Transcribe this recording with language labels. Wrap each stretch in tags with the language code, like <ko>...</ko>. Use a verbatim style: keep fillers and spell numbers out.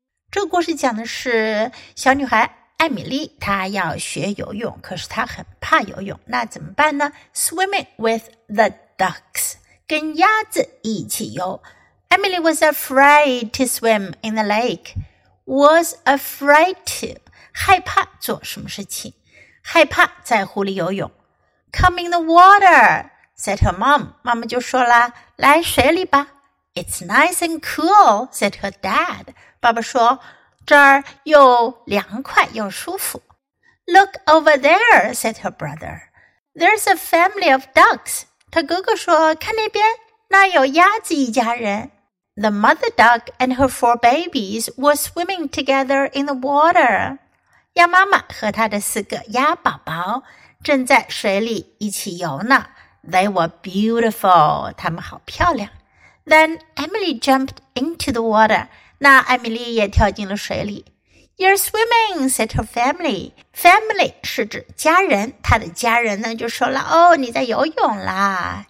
<zh>这个故事讲的是小女孩艾米丽，她要学游泳，可是她很怕游泳，那怎么办呢？</zh> <en>Swimming with the ducks，</en> <zh>跟鸭子一起游。</zh> <en>Emily was afraid to swim in the lake. Was afraid to.</en> <zh>害怕做什么事情。害怕在湖里游泳。</zh> <en>Come in the water, said her mom.</en> <zh>妈妈就说啦，来水里吧。</zh> <en>It's nice and cool, said her dad.</en> <zh>爸爸说，这儿又凉快又舒服。</zh> <en>Look over there, said her brother. There's a family of ducks.</en> <zh>他哥哥说，看那边，那有鸭子一家人。</zh> <en>The mother duck and her four babies were swimming together in the water.</en> <zh>鸭妈妈和她的四个鸭宝宝正在水里一起游呢。</zh> <en>They were beautiful.</en> <zh>她们好漂亮。</zh> <en>Then Emily jumped into the water.</en> <zh>那艾米丽也跳进了水里。</zh> <en>You're swimming, said her family. Family</en> <zh>是指家人，她的家人呢就说了，哦，你在游泳啦。</zh>